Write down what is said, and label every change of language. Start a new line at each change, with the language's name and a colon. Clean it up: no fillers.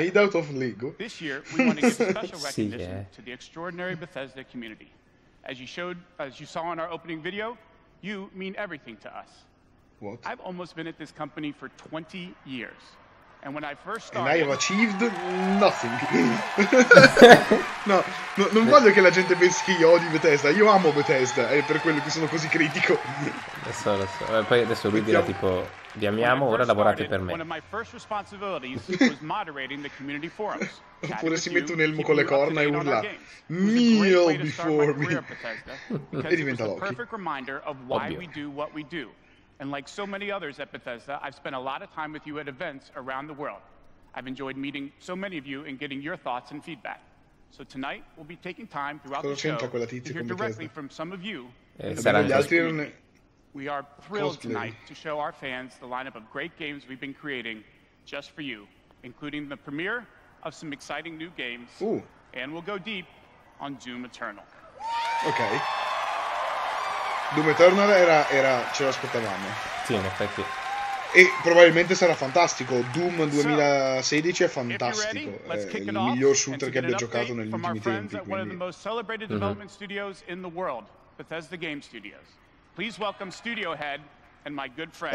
English: Made out of Lego. This year, we want to give special recognition to the extraordinary Bethesda community. As you saw in our opening video, you mean everything to us. What? I've almost been at this company for 20 years. And when I first started... And I have achieved nothing.
Italian: No, non voglio che la gente pensi che io odio Bethesda. Io amo Bethesda, è per quello che sono così critico. Lo so. Poi adesso lui dirà tipo, vi amiamo, ora lavorate per me.
English: One of my first responsibilities was moderating the community forums.
Italian: Oppure si mette un elmo con le corna e urla, mio
English: before me.
Italian: E diventa Loki.
English: Perfect reminder of why we do what we do. And like so many others at Bethesda, I've spent a lot of time with you at events around the world. I've enjoyed meeting so many of you and getting your thoughts and feedback. So tonight, we'll be taking time throughout
Italian: cosa
English: the show
Italian: quella tizia
English: to hear directly from some of you. We are thrilled tonight to show our fans the lineup of great games we've been creating just for you, including the premiere of some exciting new games. Ooh. And we'll go deep on Doom Eternal.
Italian: Okay. Doom Eternal era ce l'aspettavamo. Sì, in effetti. E probabilmente sarà fantastico. Doom 2016 è fantastico. È il miglior shooter che abbia giocato negli ultimi tempi.
English: One of the most celebrated development studios in the world, Bethesda Game Studios. Please welcome studio head and my good friend.